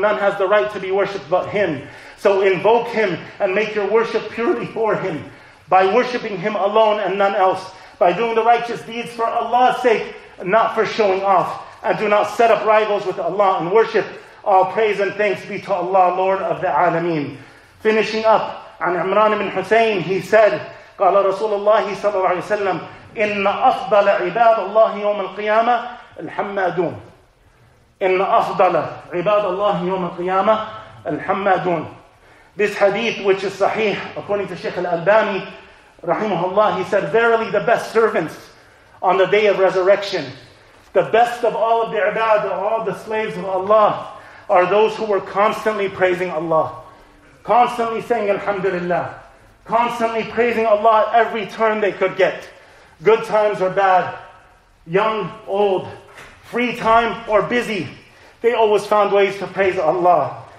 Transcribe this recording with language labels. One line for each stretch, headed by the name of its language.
English: None has the right to be worshipped but Him. So invoke Him and make your worship purely for Him. By worshipping Him alone and none else. By doing the righteous deeds for Allah's sake, not for showing off. And do not set up rivals with Allah and worship. All praise and thanks be to Allah, Lord of the Alameen. Finishing up,
Arabic: عن عمران بن حسين,
English: he said,
Arabic: قال رسول الله صلى الله عليه وسلم, إن أفضل عباد الله يوم القيامة الحمادون. إن أفضل عباد الله يوم القيامة الحمادون.
English: This hadith, which is sahih, according to Sheikh Al-Albani, rahimahullah, he said, verily the best servants on the day of resurrection, the best of all of the ibad, all the slaves of Allah, are those who were constantly praising Allah, constantly saying Alhamdulillah, constantly praising Allah at every turn they could get, good times or bad, young, old, free time or busy, they always found ways to praise Allah.